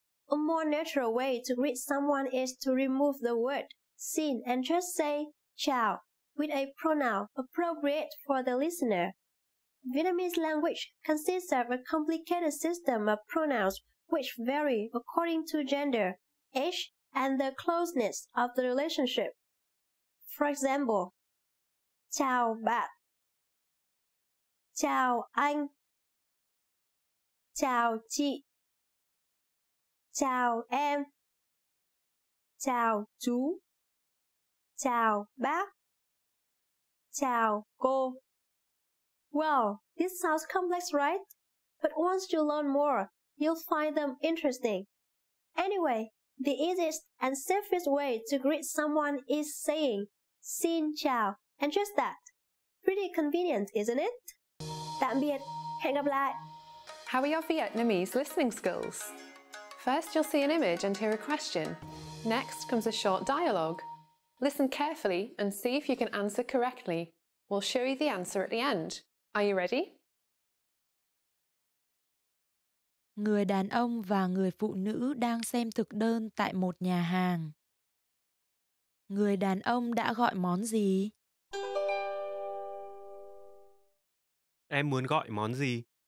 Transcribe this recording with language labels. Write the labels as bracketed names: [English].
[English] A more natural way to greet someone is to remove the word xin and just say chào with a pronoun appropriate for the listener. Vietnamese language consists of a complicated system of pronouns which vary according to gender, age, and the closeness of the relationship. For example, [Vietnamese] chào bạn, chào anh, chào chị, chào em, chào chú, chào bác, chào cô. [English] Well, this sounds complex, right? But once you learn more, you'll find them interesting. Anyway, the easiest and safest way to greet someone is saying xin chào, and just that. Pretty convenient, isn't it? [Vietnamese] Tạm biệt, hẹn gặp lại. [English] How are your Vietnamese listening skills? First, you'll see an image and hear a question. Next comes a short dialogue. Listen carefully and see if you can answer correctly. We'll show you the answer at the end. Are you ready? [Vietnamese] Người đàn ông và người phụ nữ đang xem thực đơn tại một nhà hàng. Người đàn ông đã gọi món gì? Em muốn gọi món gì?